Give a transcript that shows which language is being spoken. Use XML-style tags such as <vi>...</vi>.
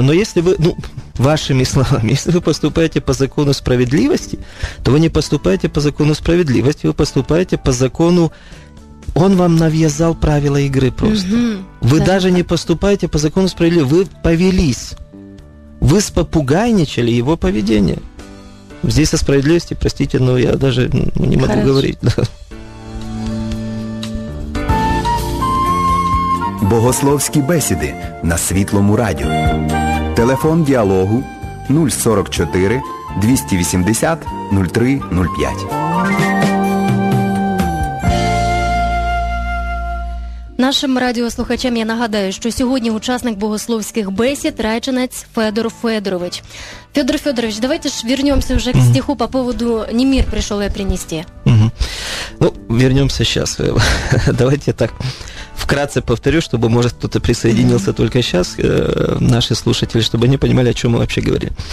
<ru>Но если вы, ну, вашими словами, если вы поступаете по закону справедливости, то вы не поступаете по закону справедливости, вы поступаете по закону, он вам навязал правила игры просто. Вы даже не поступаете по закону справедливости, вы повелись. Вы спопугайничали его поведение. Здесь о справедливости, простите, но я даже не могу говорить.</ru> <uk>Богословські бесіди на Світлому радіо. Телефон діалогу 044 280 0305. Нашим радіослухачам я нагадаю, що сьогодні учасник богословських бесід – райчинець Федор Федорович.</uk> <ru>Федор Федорович, давайте ж вернемся уже к стиху по поводу «Не мир пришел я принести». Ну, вернемся сейчас. Давайте так. вкратце повторю, чтобы, может, кто-то присоединился только сейчас, наши слушатели, чтобы они понимали, о чем мы вообще говорили.</ru>